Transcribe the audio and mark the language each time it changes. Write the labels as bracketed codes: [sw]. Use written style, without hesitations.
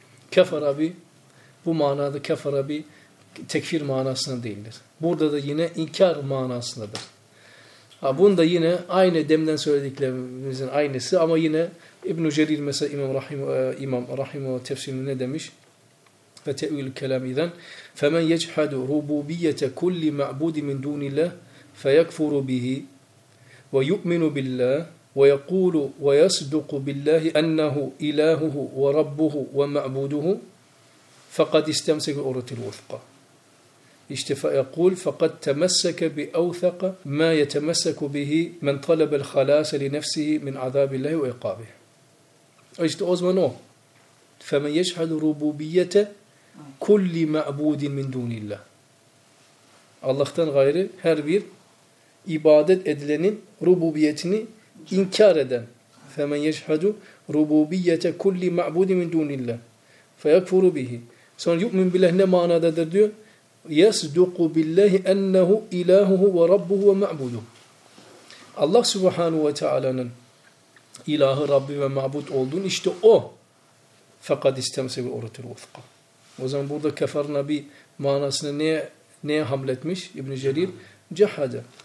[tr] Kefara bi, bu manada kefara bi, tekfir manasında değildir. Burada da yine inkar manasındadır. Ha, bunda yine aynı demden söylediklerimizin aynısı ama yine İbn-i Cerir mesela İmam Rahim tefsirinde ne demiş? [ar] Ve te'vil kelam izen فَمَنْ يَجْحَدُ رُبُوبِيَّةَ كُلِّ مَعْبُودِ مِنْ دُونِ اللّٰهِ فَيَكْفُرُ بِهِ وَيُؤْمِنُ بِاللّٰهِ وَيَقُولُ وَيَصْدُقُ بِاللّٰهِ اَنَّهُ اِلَٰهُهُ وَرَبُّهُ وَمَعْبُودُهُ فَقَدْ اِسْتَمْسَكَ اُرَتِ الْوُثْقَ İşte فَيَقُولُ فَقَدْ تَمَسَّكَ بِاَوْثَقَ مَا يَتَمَسَّكُ بِهِ مَنْ طَلَبَ الْخَلَاسَ لِنَفْسِهِ مِنْ عَذَابِ اللّٰهِ وَاِقَابِهِ [tr] İşte o zaman o. [ar] فَمَنْ يَجْحَدُ رُبُوبِيَّةَ كُلِّ مَعْبُودٍ مِنْ دُونِ اللّٰهِ [tr] Allah'tan gayrı her bir ibadet edilenin rububiyetini inkar eden. [ar] فَمَنْ يَجْحَدُ رُبُوبِيَّةَ كُلِّ مَعْبُودٍ مِنْ دُونِ اللّٰهِ فَيَكْفُرُ بِهِ [tr] Sonra yu'min billahi ne manadadır diyor? [ar] يَسْدُقُ بِاللّٰهِ اَنَّهُ اِلَٰهُهُ وَرَبُّهُ وَمَعْبُودُهُ [tr] Allah subhanahu ve teala'nın ilahı, Rabbi ve mabud olduğunu işte o. [ar] فَقَدْ اِسْتَمْسَ بِعُرَةِ الْوَثْقَ [tr] O zaman burada kefer nabi manasını neye hamletmiş İbn-i Cerir? Cehade.